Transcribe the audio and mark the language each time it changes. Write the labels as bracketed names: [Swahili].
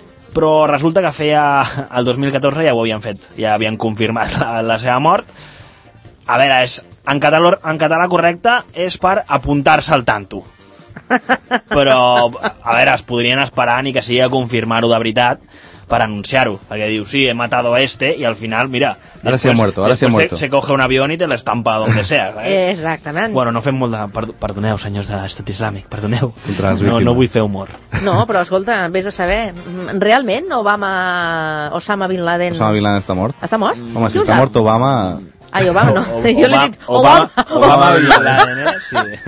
[Catalan] Però resulta que feia el 2014 ja ho havien fet, ja havien confirmat la seva mort. A veure, és, en català correcte és per apuntar-se al tanto. Però, a veure, es podrien esperar ni que sigui a confirmar-ho de veritat, per anunciar-ho, perquè diu, sí, [Spanish] he matado a este, [Catalan] i al final, mira... [Spanish] Ara se ha muerto, ara se ha muerto. Se coge un avión y te l'estampa a donde sea. [Catalan] Exactament. Bueno, no fem molt de... Perdoneu, senyors de l'estat islàmic, perdoneu. No vull fer humor. No, però escolta, vés a saber, realment Obama... Osama Bin Laden... Osama Bin Laden està mort? Està mort? Home, si està mort Obama... Ai, Obama, no. Jo l'he dit Obama. Obama Bin Laden, sí.